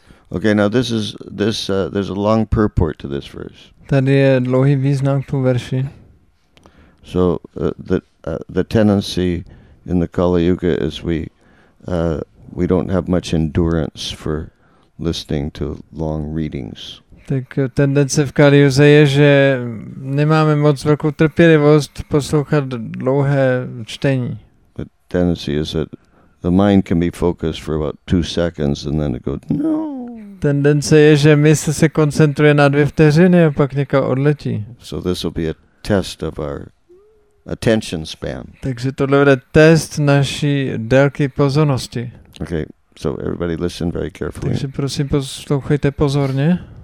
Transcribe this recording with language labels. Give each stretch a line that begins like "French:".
English: Okay, now there's a long purport to this verse.
Czech: Tady je dlouhý význam k tomu verši.
English: So the tendency in the Kali Yuga is we don't have much endurance for listening to long readings.
Czech: Tak tendence v Kali Yuze je, že nemáme moc velkou trpělivost poslouchat dlouhé čtení.
English: The tendency is that the mind can be focused for about 2 seconds and then it goes no.
Czech: Tendence je, že mysl se koncentruje na 2 vteřiny a pak někam odletí.
English: So this will be a test of our attention span.
Czech: Takže tohle bude test naší délky pozornosti.
English: Okay, so everybody listen very carefully.
Czech: Takže prosím poslouchejte pozorně.